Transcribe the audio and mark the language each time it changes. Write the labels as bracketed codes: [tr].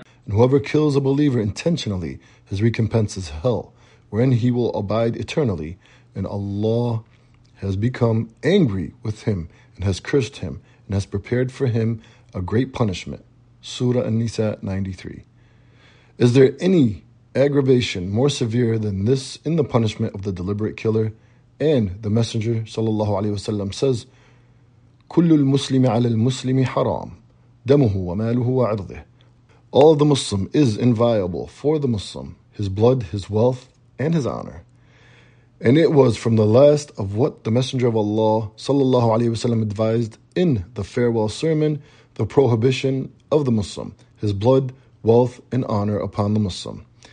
[en] And whoever kills a believer intentionally, his recompense is hell, wherein he will abide eternally, and Allah has become angry with him and has cursed him and has prepared for him a great punishment. Surah An-Nisa 93. Is there any aggravation more severe than this in the punishment of the deliberate killer? And the Messenger sallallahu alaihi wasallam says, [ar] كل المسلم على المسلم حرام دمه وماله وعرضه. [en] All the Muslim is inviolable for the Muslim, his blood, his wealth, and his honor. And it was from the last of what the Messenger of Allah sallallahu alaihi wasallam advised in the farewell sermon, the prohibition of the Muslim, his blood, wealth, and honor upon the Muslim.